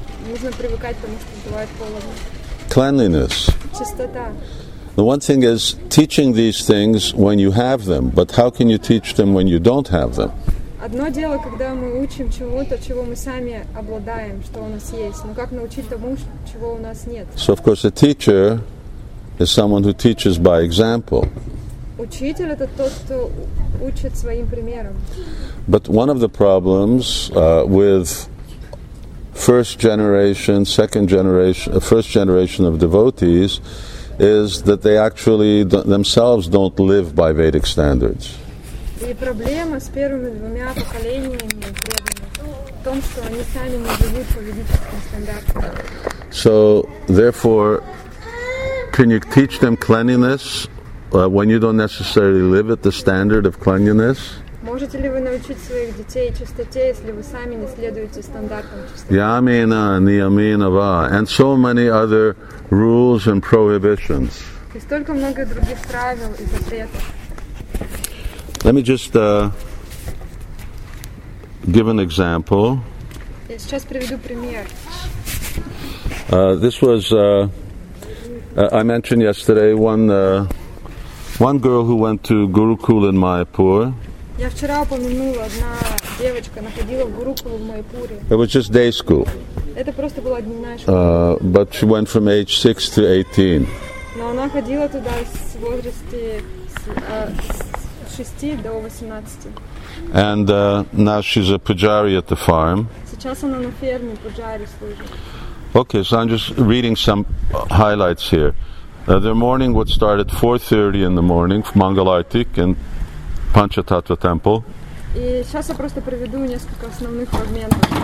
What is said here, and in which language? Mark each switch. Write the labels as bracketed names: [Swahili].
[Russian] Нужно привыкать, потому что бывает холодно. [English] Cleanliness. [Russian] Чистота. [English] The one thing is teaching these things when you have them, but how can you teach them when you don't have them? [Russian] Одно дело, когда мы учим чему-то, чего мы сами обладаем, что у нас есть. Но как научить тому, чего у нас нет? [English] So, of course, a teacher is someone who teaches by example. [Russian] Учитель — это тот, кто учит своим примером. [English] But one of the problems with first generation, second generation, first generation of devotees is that they actually themselves don't live by Vedic standards. [Russian] И проблема с первыми двумя поколениями преданных в том, что они сами не живут по ведическим стандартам. [English] So, therefore, can you teach them cleanliness? When you don't necessarily live at the standard of cleanliness? [Russian] Можете ли вы научить своих детей чистоте, если вы сами не следуете стандартам чистоты? [English] Ямина, ниямина, ва. And so many other rules and prohibitions. [Russian] И столько много других правил и запретов. [English] Let me just give an example. [Russian] Я сейчас приведу пример. [English] This was, I mentioned yesterday, one girl who went to Gurukul in Mayapur. [Russian] Я вчера упомянула, одна девочка находила в Гурукул в Майпуре. [English] It was just day school. [Russian] Это просто была дневная школа. [English] But she went from age 6 to 18. [Russian] Но она ходила туда с возраста с 6 до 18. [English] And now she's a pujari at the farm. [Russian] Сейчас она на ферме пуджари служит. [English] Okay, so I'm just reading some highlights here. Their morning would start at 4:30 in the morning from Mangalartik in Panchatattva temple. [Russian] И сейчас я просто приведу несколько основных фрагментов.